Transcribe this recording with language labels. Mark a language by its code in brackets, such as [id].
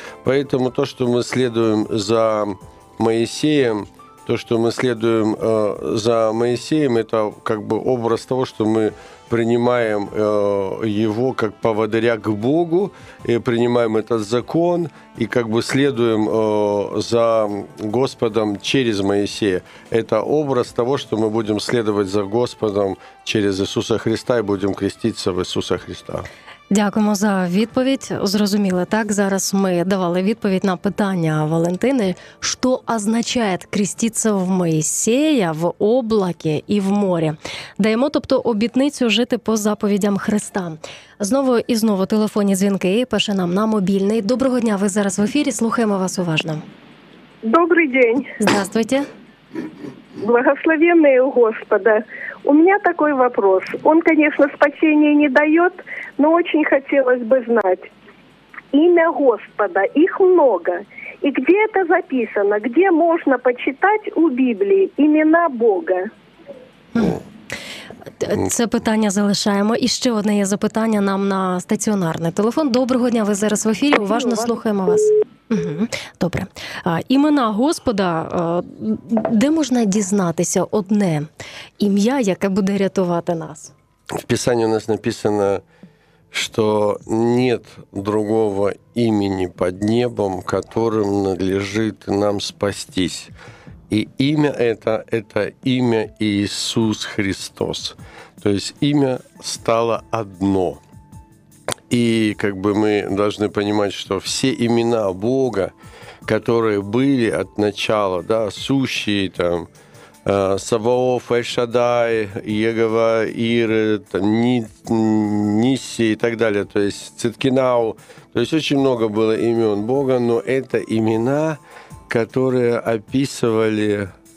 [ru] Поэтому то, что мы следуем за Моисеем, то, что мы следуем за Моисеем, это как бы образ того, что мы принимаем его как поводыря к Богу, и принимаем этот закон, и как бы следуем за Господом через Моисея. Это образ того, что мы будем следовать за Господом через Иисуса Христа и будем креститься в Иисуса Христа. [uk] Дякуємо за відповідь. Зрозуміло, так? Зараз ми давали відповідь на питання Валентини. Що означає креститися в Моїсея, в облаке і в морі? Даємо, тобто, обітницю жити по заповідям Христа. Знову і знову телефонні дзвінки, пише нам на мобільний. Доброго дня, ви зараз в ефірі, слухаємо вас уважно. Добрий день. [ru] Здравствуйте. Благословенные у Господа. У меня такой вопрос. Он, конечно, спасения не дает, но очень хотелось бы знать. Имя Господа, их много. И где это записано? Где можно почитать у Библии имена Бога? [uk] Це питання залишаємо. І ще одне є запитання нам на стаціонарний телефон. Доброго дня, ви зараз в ефірі, уважно слухаємо вас. Угу. Добре. Імена Господа, де можна дізнатися одне ім'я, яке буде рятувати нас? В Писанні у нас написано [ru] что нет другого имени под небом, которым надлежит нам спастись. И имя это имя Иисус Христос. То есть имя стало одно. И как бы мы должны понимать, что все имена Бога, которые были от начала, да, сущие, там, Саваоф, Эль-Шадай, Егова, Ир, Нисси и так далее, то есть Циткинау, то есть очень много было имен Бога, но это имена, которые описывали